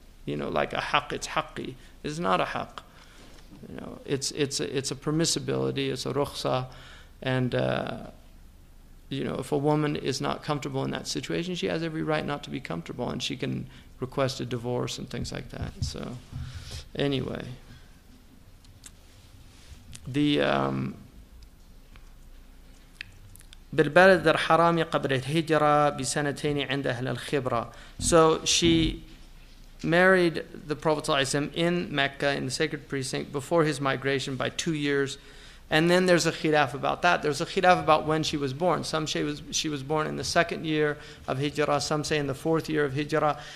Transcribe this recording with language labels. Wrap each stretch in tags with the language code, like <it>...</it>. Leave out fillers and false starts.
<en>You know, like a haqq, it's haqqi. It's not a haqq. You know, it's a permissibility, it's a rukhsa, and you know, if a woman is not comfortable in that situation, she has every right not to be comfortable, and she can request a divorce and things like that. So anyway, the</en> <ar>بالبلد الحرامي قبل الهجرة بسنتين عند أهل الخبرة.</ar> <en>So she married the Prophet in Mecca, in the sacred precinct, before his migration by 2 years. And then there's a khilaf about that. There's a khilaf about when she was born. Some say she was born in the second year of hijrah. Some say in the fourth year of hijrah.</en>